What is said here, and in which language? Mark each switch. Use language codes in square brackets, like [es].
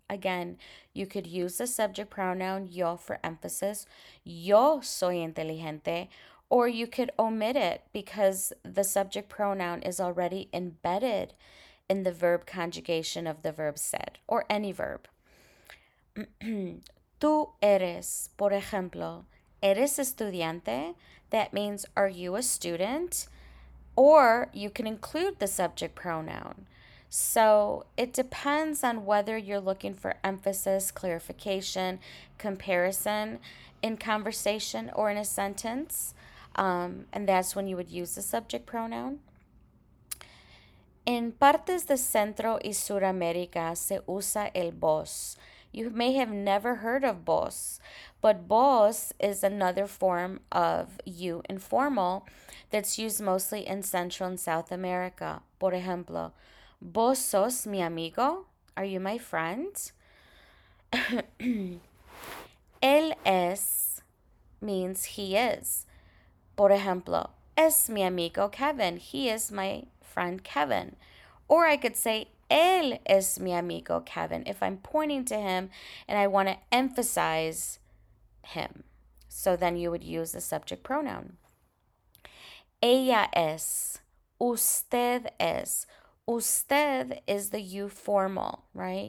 [en] Again, you could use the subject pronoun yo for emphasis. [es] Yo soy inteligente. [en] Or you could omit it because the subject pronoun is already embedded in the verb conjugation of the verb said or any verb. [es] Tú eres, por ejemplo, eres estudiante. [en] That means, are you a student? Or you can include the subject pronoun. So it depends on whether you're looking for emphasis, clarification, comparison in conversation or in a sentence. And that's when you would use the subject pronoun. [es] En partes de Centro y Suramérica se usa el vos. [en] You may have never heard of vos, but vos is another form of you informal that's used mostly in Central and South America. [es] Por ejemplo, vos sos mi amigo? [en] Are you my friend? [es] Él es [en] means he is. [es] Por ejemplo, es mi amigo Kevin. [en] He is my friend Kevin. Or I could say, [es] él es mi amigo Kevin, [en] if I'm pointing to him and I want to emphasize him. So then you would use the subject pronoun. [es] Ella es. Usted es. [en] Usted is the you formal, right?